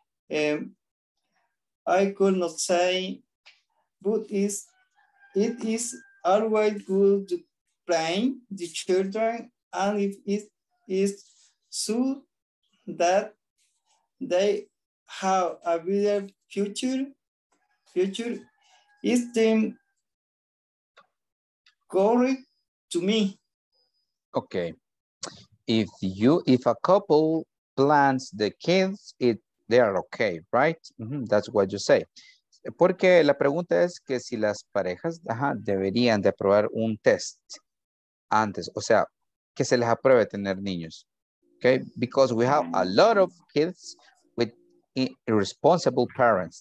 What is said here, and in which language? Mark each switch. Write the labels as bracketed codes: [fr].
[en] I could not say, but it is always good to train the children, and if it is so that they have a better future, is them correct to me? Okay. If a couple plans the kids, they are okay, right? Mm-hmm. That's what you say. [es] Porque la pregunta es que si las parejas deberían de aprobar un test antes, o sea, que se les apruebe tener niños. [en] Okay, because we have a lot of kids with irresponsible parents.